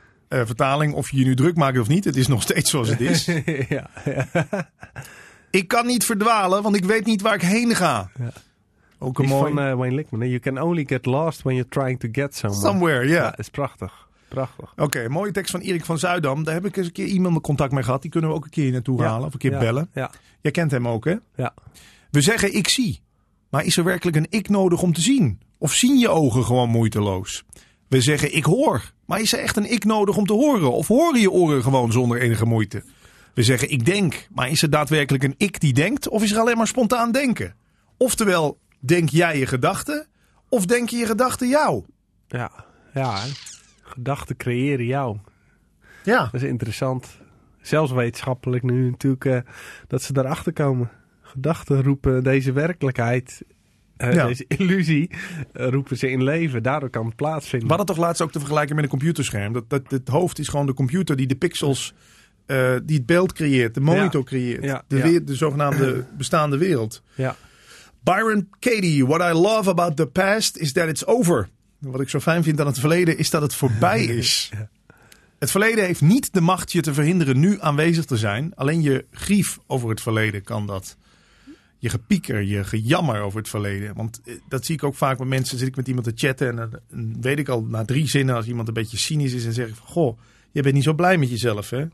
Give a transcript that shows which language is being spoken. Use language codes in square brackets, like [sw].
[nl] Vertaling, of je nu druk maakt of niet. Het is nog steeds zoals het is. Ja. Ik kan niet verdwalen, want ik weet niet waar ik heen ga. Ja. Ook een mooi. Van Wayne Lickman. [en] You can only get lost when you're trying to get somewhere. Somewhere, yeah. [nl] Ja. Dat is prachtig. Prachtig. Oké, okay, mooie tekst van Erik van Zuidam. Daar heb ik eens een keer iemand in contact mee gehad. Die kunnen we ook een keer naartoe halen of een keer bellen. Ja. Jij kent hem ook, hè? Ja. We zeggen ik zie. Maar is er werkelijk een ik nodig om te zien? Of zien je ogen gewoon moeiteloos? We zeggen ik hoor. Maar is er echt een ik nodig om te horen? Of horen je oren gewoon zonder enige moeite? We zeggen ik denk. Maar is er daadwerkelijk een ik die denkt? Of is er alleen maar spontaan denken? Oftewel, denk jij je gedachten? Of denk je gedachten jou? Ja, ja, hè? Gedachten creëren jou. Ja. Dat is interessant. Zelfs wetenschappelijk nu natuurlijk dat ze daarachter komen. Gedachten roepen deze werkelijkheid, deze illusie, roepen ze in leven. Daardoor kan het plaatsvinden. We hadden toch laatst ook te vergelijken met een computerscherm. Dat het hoofd is gewoon de computer die de pixels, die het beeld creëert, de monitor creëert. Ja. De zogenaamde bestaande wereld. Ja. [en] Byron Katie, what I love about the past is that it's over. [nl] Wat ik zo fijn vind aan het verleden is dat het voorbij is. Het verleden heeft niet de macht je te verhinderen nu aanwezig te zijn. Alleen je grief over het verleden kan dat. Je gepieker, je gejammer over het verleden. Want dat zie ik ook vaak met mensen. Zit ik met iemand te chatten en dan weet ik al na 3 zinnen als iemand een beetje cynisch is. En zeg ik van, goh, je bent niet zo blij met jezelf, hè?